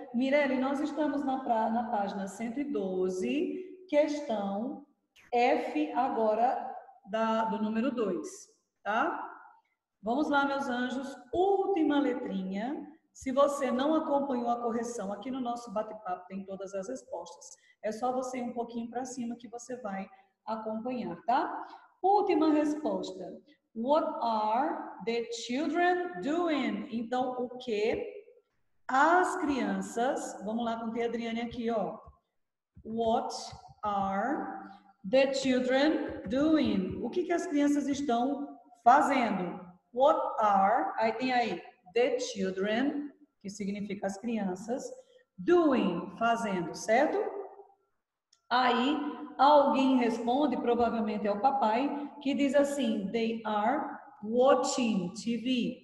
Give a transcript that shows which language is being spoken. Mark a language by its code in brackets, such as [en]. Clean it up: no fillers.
[pt] Mirelle, nós estamos na página 112, questão F agora do número 2, tá? Vamos lá, meus anjos, última letrinha. Se você não acompanhou a correção aqui no nosso bate-papo, tem todas as respostas. É só você ir um pouquinho para cima que você vai acompanhar, tá? Última resposta. [en] What are the children doing? [pt] Então, o que as crianças... Vamos lá com a tia Adriane aqui, ó. [en] What are the children doing? [pt] O que as crianças estão fazendo? [en] What are... [pt] Aí tem aí, the children, que significa as crianças, doing, fazendo, certo? Aí... Alguém responde, provavelmente é o papai, que diz assim, [en] they are watching TV.